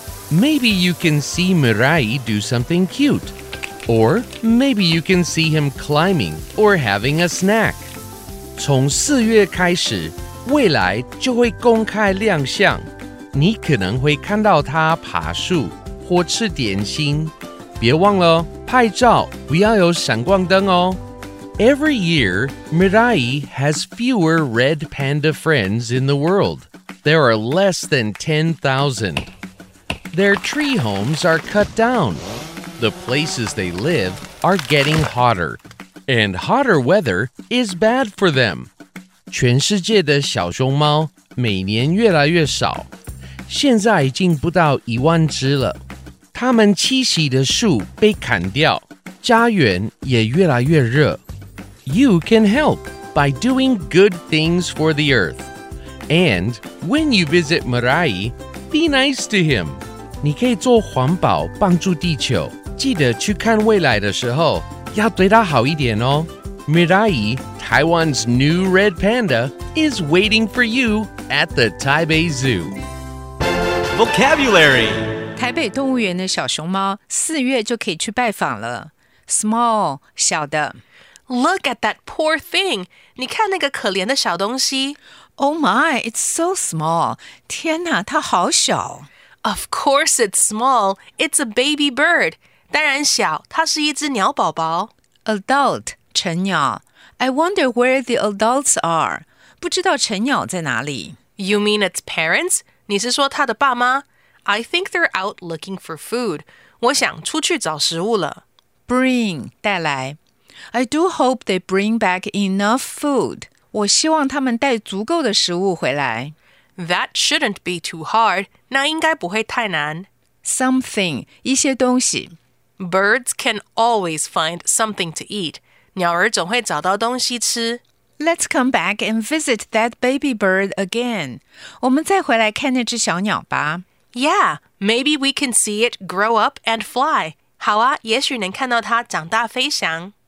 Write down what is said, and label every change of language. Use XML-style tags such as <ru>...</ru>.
<en>Maybe you can see Mirai do something cute. Or maybe you can see him climbing or having a snack.</en> <zh>从四月开始，未来就会公开亮相。你可能会看到他爬树或吃点心。别忘了拍照不要有闪光灯哦。</zh> <en>Every year, Mirai has fewer red panda friends in the world. There are less than 10,000. Their tree homes are cut down. The places they live are getting hotter. And hotter weather is bad for them.</en> <zh>全世界的小熊猫每年越来越少，现在已经不到10,000只了。它们栖息的树被砍掉，家园也越来越热。</zh> <en>You can help by doing good things for the earth. And when you visit Mirai, be nice to him.</en> <zh>你可以做环保帮助地球。记得去看未来的时候，要对他好一点哦。</zh> <en>Mirai, Taiwan's new red panda, is waiting for you at the Taipei Zoo. Vocabulary.</en> <zh>台北动物园的小熊猫四月就可以去拜访了。</zh> <en>Small, 小的。 Look at that poor thing.</en> <zh>你看那个可怜的小东西。</zh> <en>Oh my, it's so small.</en> <zh>天哪，它好小。</zh> <en>Of course it's small. It's a baby bird.</en> <zh>当然小，它是一只鸟宝宝。</zh> <en>Adult, 成鸟。I wonder where the adults are.</en> <zh>不知道成鸟在哪里。</zh> <en>You mean its parents?</en> <zh>你是说它的爸妈？</zh> <en>I think they're out looking for food.</en> <zh>我想出去找食物了。</zh> <en>Bring, 带来。 I do hope they bring back enough food.</en> <zh>我希望他们带足够的食物回来。</zh> <en>That shouldn't be too hard.</en> <zh>那应该不会太难。</zh> <en>Something, 一些东西。 Birds can always find something to eat.</en> <zh>鸟儿总会找到东西吃。</zh> <en>Let's come back and visit that baby bird again.</en> <zh>我们再回来看那只小鸟吧。</zh> <en>Yeah, maybe we can see it grow up and fly.</en> <zh>好啊，也许能看到它长大飞翔。</zh>